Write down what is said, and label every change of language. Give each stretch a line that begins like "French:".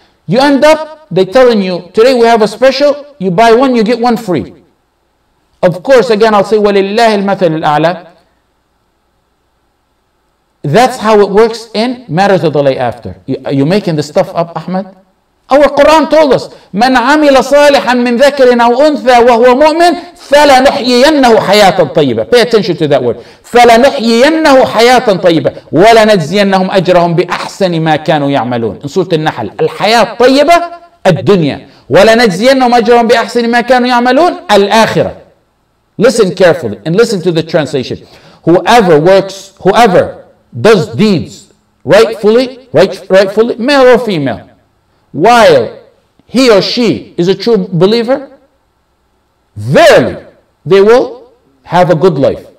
English: You end up, they're telling you, today we have a special, you buy one, you get one free. Of course, again, I'll say,
Arabic: وَلِلَّهِ الْمَثَلِ الْأَعْلَى
English: That's how it works in matters of the life after. You making this stuff up, Ahmed? Our Quran told us,
Arabic: مَنْ عَمِلَ صَالِحًا مِنْ ذَكَرٍ أَوْ أُنْثَى وَهُوَ مُؤْمِنٌ فَلَنُحْيِيَنَّهُ حَيَاةً طَيِّبَةً
English: Pay attention to that word.
Arabic: فَلَنُحْيِيَنَّهُ حَيَاةً طَيِّبَةً وَلَنَجْزِيَنَّهُمْ أَجْرَهُمْ بِأَحْسَنِ مَا كَانُوا يَعْمَلُونَ
English: In Surah Al-Nahl,
Arabic: الحياة طيبة, الدنيا. وَلَنَجْزِيَنَّهُمْ أَجْرَهُمْ بِأَحْسَنِ مَا كَانُوا يَعْمَلُونَ الْآخِرَةِ.
English: Listen carefully and listen to the translation. Whoever works, whoever does deeds rightfully, male or female, while he or she is a true believer, verily they will have a good life.